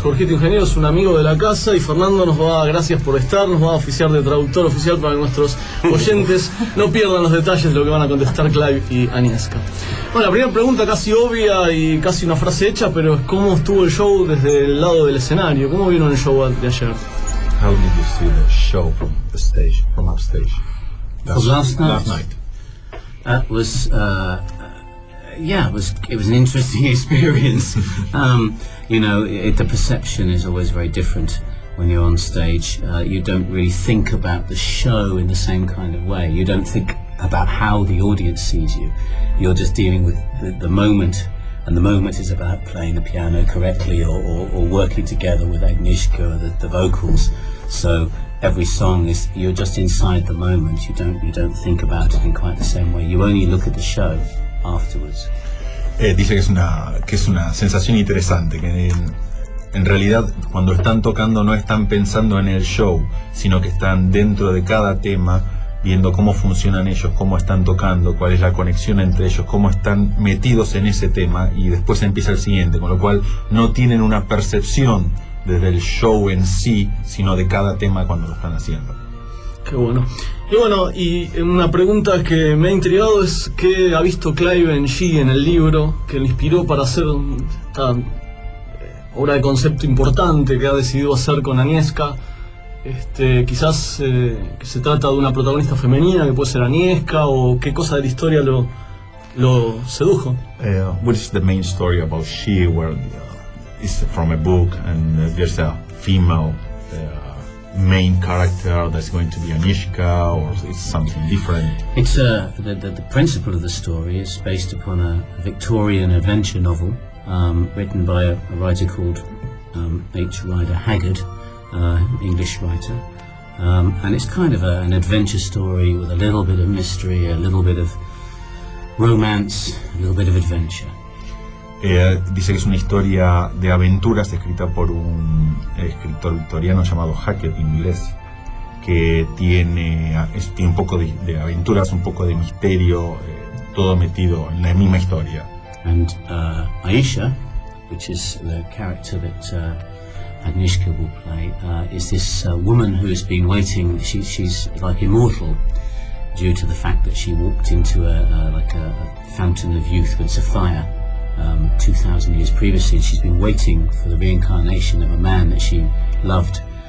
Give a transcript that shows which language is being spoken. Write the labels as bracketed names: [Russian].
[Spanish] Jorgito Ingeniero es un amigo de la casa, y Fernando gracias por estar, nos va a oficiar de traductor oficial para nuestros oyentes. No pierdan los detalles de lo que van a contestar Clive y Agnieszka. Bueno, la primera pregunta, casi obvia y casi una frase hecha, pero es cómo estuvo el show desde el lado del escenario. ¿Cómo vieron el show de ayer? [English] How did you see the show from the stage, from upstage? Last night. That was it was an interesting experience. The perception is always very different when you're on stage. You don't really think about the show in the same kind of way. You don't think about how the audience sees you. You're just dealing with the moment, and the moment is about playing the piano correctly or working together with Agnieszka, the vocals. So every song is, you're just inside the moment. You don't think about it in quite the same way. You only look at the show afterwards. [Spanish] Dice que es una sensación interesante, que en realidad cuando están tocando no están pensando en el show, sino que están dentro de cada tema, viendo cómo funcionan ellos, cómo están tocando, cuál es la conexión entre ellos, cómo están metidos en ese tema, y después empieza el siguiente, con lo cual no tienen una percepción desde el show en sí, sino de cada tema cuando lo están haciendo. Qué bueno. Y bueno, y una pregunta que me ha intrigado es qué ha visto Clive en G en el libro que le inspiró para hacer esta obra de concepto importante que ha decidido hacer con Agnieszka. Quizás que se trata de una protagonista femenina, que puede ser Agnieszka, o qué cosa de la historia lo sedujo. [English] What is the main story about She, where is from a book, and there's a female main character that's going to be Anishka, or it's something different? It's the principle of the story is based upon a Victorian adventure novel written by a writer called H. Rider Haggard, English writer. And it's kind of an adventure story with a little bit of mystery, a little bit of romance, a little bit of adventure. [Spanish] Dice que es una historia de aventuras escrita por un escritor victoriano llamado Hackett, en inglés, que tiene un poco de aventuras, un poco de misterio, todo metido en la misma historia. [English] And Aisha, which is the character that Agnieszka will play, is this woman who has been waiting. She's like immortal due to the fact that she walked into a fountain of youth with Sophia 2,000 years previously, and she's been waiting for the reincarnation of a man that she loved.